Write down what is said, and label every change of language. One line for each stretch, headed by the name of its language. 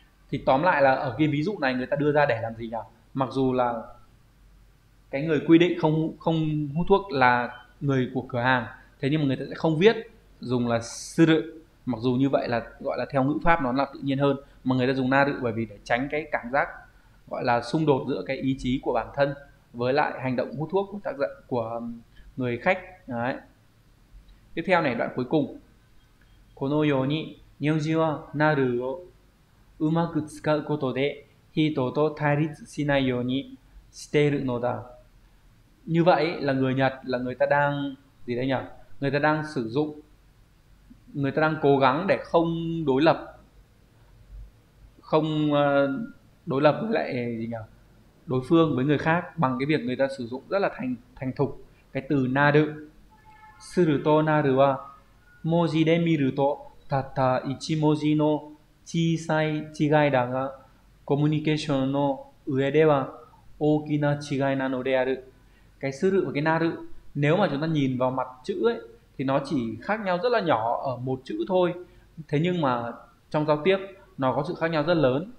Vietnamese: Thì tóm lại là ở cái ví dụ này người ta đưa ra để làm gì nhỉ? Mặc dù là cái người quy định không không hút thuốc là người của cửa hàng, thế nhưng mà người ta sẽ không viết dùng là suru, mặc dù như vậy là gọi là theo ngữ pháp nó là tự nhiên hơn, mà người ta dùng naru bởi vì để tránh cái cảm giác gọi là xung đột giữa cái ý chí của bản thân với lại hành động hút thuốc của tác giả, của người khách. Đấy. Tiếp theo này, đoạn cuối cùng.
Japanese: このように日本人はナルをうまく使うことで人と対立しないようにしているのだ。
Vietnamese: Như vậy là người Nhật là người ta đang gì đấy nhỉ? Người ta đang sử dụng, người ta đang cố gắng để không đối lập, không đối lập với lại gì nhỉ? Đối phương với người khác bằng cái việc người ta sử dụng rất là thành thành thục cái từ naru.
Japanese: Suruto naru wa moji de miruto たった一文字の小さい違いだが、コミュニケーションの上では大きな違いなのである。
Vietnamese: Cái suru và cái naru, nếu mà chúng ta nhìn vào mặt chữ ấy thì nó chỉ khác nhau rất là nhỏ ở một chữ thôi, thế nhưng mà trong giao tiếp nó có sự khác nhau rất lớn.